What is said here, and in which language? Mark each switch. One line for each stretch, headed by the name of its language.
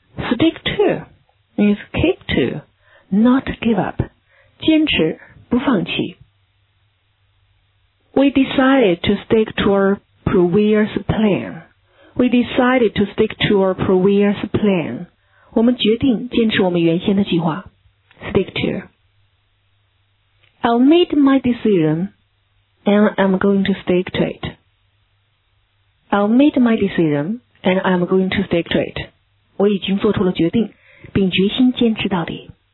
English: Stick to means keep to, not give up.
Chinese: 坚持不放弃。
English: We decided to stick to our previous plan. We decided to stick to our previous plan.
Chinese: 我们决定坚持我们原先的计划。
English: Stick to. I'll make my decision and I'm going to stick to it. I'll make my decision and I'm going to stick to it.
Chinese: 我已经做出了决定并决心坚持到底。